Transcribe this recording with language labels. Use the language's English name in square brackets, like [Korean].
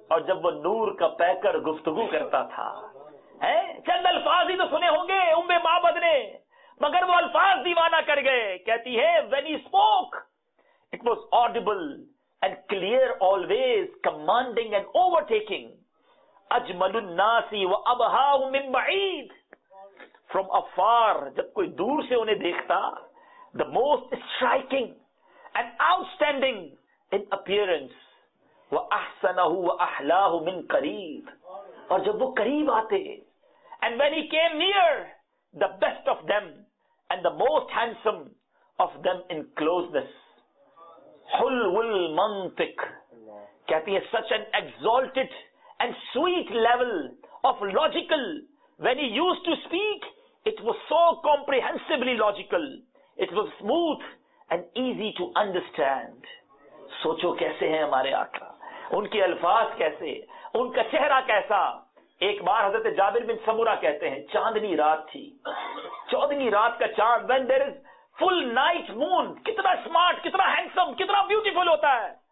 [Urdu] اور جب وہ نور کا پیکر گفتگو کرتا تھا, چند الفاظ ہی تو سنے ہوں گے امِ معبد نے, مگر وہ الفاظ دیوانہ کر گئے. کہتی ہے, [English] when he spoke it was audible and clear always, commanding and overtaking. [Arabic] اجمل الناس وابهاهم من بعید. [English] From afar, [Urdu] جب کوئی دور سے انہیں دیکھتا, [English] the most striking and outstanding in appearance. [Arabic] وَأَحْسَنَهُ وَأَحْلَاهُ مِنْ قَرِيبِ. [Urdu] اور جب وہ قریب آتے, [English] and when he came near, the best of them and the most handsome of them in closeness. [Arabic] حُلْوُ الْمَنْطِقِ. [Urdu] کہتی ہے, [English] such an exalted and sweet level of logical, when he used to speak, it was so comprehensively logical. It was smooth and easy to understand. [Urdu] سوچو کیسے ہیں ہمارے آقا, ان کے الفاظ کیسے, ان کا چہرہ کیسا. ایک بار حضرت جابر بن سمورہ کہتے ہیں, چاندنی رات تھی, چودھویں رات کا چاند, [English] when there is full night moon, [Urdu] کتنا smart, کتنا handsome, کتنا beautiful ہوتا ہے.